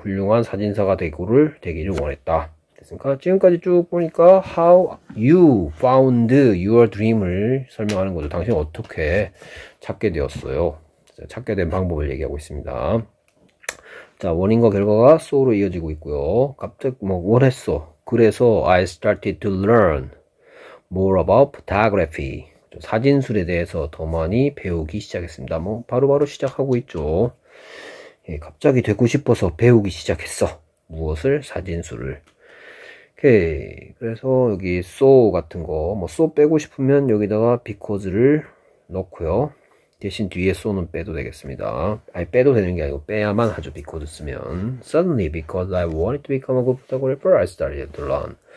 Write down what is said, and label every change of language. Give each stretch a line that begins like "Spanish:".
Korean: 훌륭한 사진사가 되기를 원했다. 됐습니까? 지금까지 쭉 보니까
English: how you found your dream
Korean: 을 설명하는 거죠. 당신은 어떻게 찾게 되었어요? 찾게 된 방법을 얘기하고 있습니다. 자, 원인과 결과가 so로 이어지고 있고요. 갑자기 뭐 원했어. 그래서
English: I started to learn more about photography.
Korean: 사진술에 대해서 더 많이 배우기 시작했습니다. 뭐 바로 시작하고 있죠. 예, 갑자기 되고 싶어서 배우기 시작했어. 무엇을? 사진술을. 오케이. 그래서 여기 so 같은 거, 뭐 so 빼고 싶으면 여기다가 because를 넣고요. 대신 뒤에 so는 빼도 되겠습니다. 아니 빼도 되는 게 아니고 빼야만 하죠.
English: because
Korean: 쓰면
English: suddenly because I wanted to become a good photographer, I started to learn.